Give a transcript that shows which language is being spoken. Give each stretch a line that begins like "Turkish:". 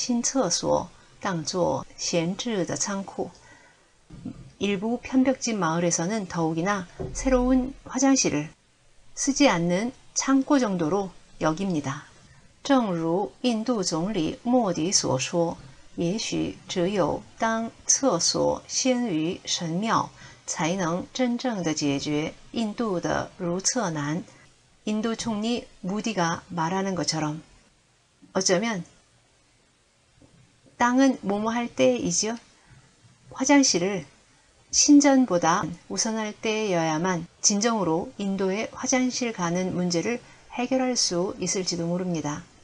Chinese: 一些偏远的村庄更是把新厕所当作闲置的仓库.
Korean: 일부 편벽지 마을에서는 더욱이나 새로운 화장실을 쓰지 않는 창고 정도로 여깁니다.
Chinese: 正如印度总理莫迪所说，也许只有当厕所先于神庙，才能真正的解决印度的如厕难。
Korean: 인도 총리 무디가 말하는 것처럼 어쩌면 땅은 뭐뭐할 때이지요? 화장실을 신전보다 우선할 때여야만 진정으로 인도에 화장실 가는 문제를 해결할 수 있을지도 모릅니다.